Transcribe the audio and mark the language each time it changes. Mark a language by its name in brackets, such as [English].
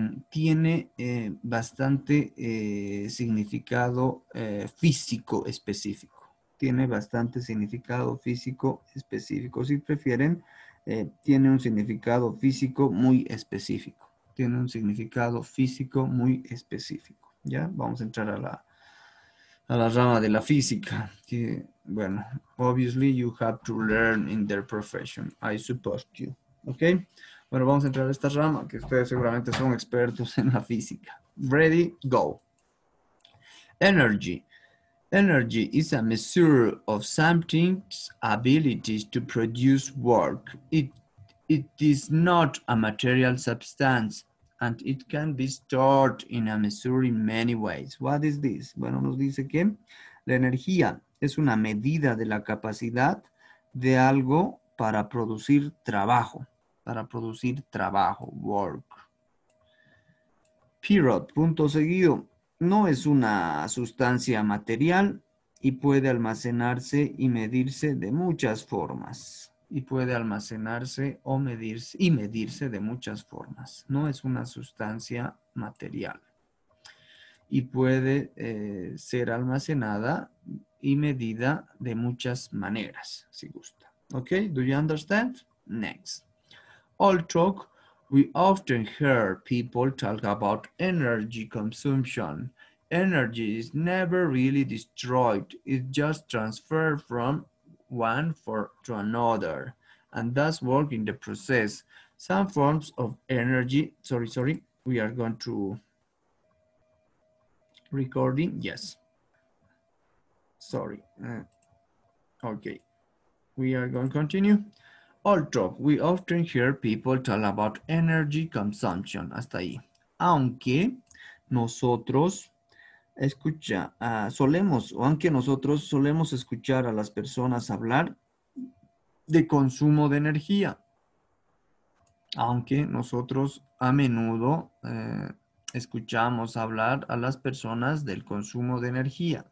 [Spanish] Tiene bastante significado físico específico. Tiene bastante significado físico específico. Si prefieren, tiene un significado físico muy específico. Tiene un significado físico muy específico. ¿Ya? Vamos a entrar a la rama de la física. [English] Que, bueno, obviously you have to learn in their profession. I suppose you. ¿Ok? [Spanish] Bueno, vamos a entrar a esta rama que ustedes seguramente son expertos en la física. [English] Ready, go. Energy. Energy is a measure of something's ability to produce work. It is not a material substance, and it can be stored in a measure in many ways. What is this? [Spanish] Bueno, nos dice que la energía es una medida de la capacidad de algo para producir trabajo. Para producir trabajo, work. Period, punto seguido. No es una sustancia material y puede almacenarse y medirse de muchas formas. Y puede almacenarse o medirse y medirse de muchas formas. No es una sustancia material. Y puede ser almacenada y medida de muchas maneras, si gusta. [English] ¿Ok? ¿Do you understand? Next. All talk, we often hear people talk about energy consumption. Energy is never really destroyed. It just transferred from one form to another, and thus work in the process. Some forms of energy, sorry, we are going to recording, yes. Sorry. Okay, we are going to continue. Also, we often hear people talk about energy consumption, [Spanish] hasta ahí. Aunque nosotros solemos escuchar a las personas hablar de consumo de energía. Aunque nosotros a menudo escuchamos hablar a las personas del consumo de energía.